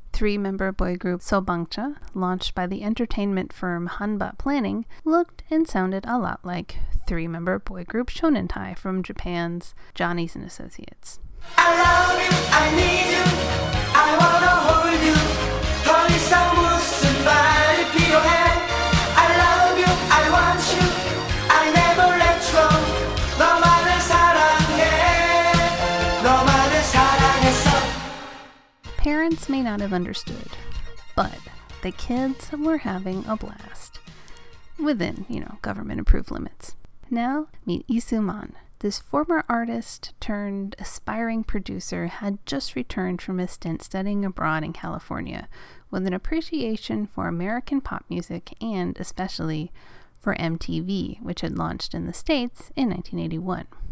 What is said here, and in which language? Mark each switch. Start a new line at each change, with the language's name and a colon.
English: Three-member boy group Sobangcha, launched by the entertainment firm Hanba Planning, looked and sounded a lot like three-member boy group Shonentai from Japan's Johnny's and Associates. I love you, I need you, I wanna hold you.
Korean: 더 이상 무슨 말이 필요해.
English: I love you, I want you, I'll never let you go.
Korean: 너만을 사랑해, 너만을 사랑했어.
English: Parents may not have understood, but the kids were having a blast. Within, you know, government-approved limits. Now, meet Isuman. This former artist turned aspiring producer had just returned from a stint studying abroad in California with an appreciation for American pop music and especially for MTV, which had launched in the States in 1981.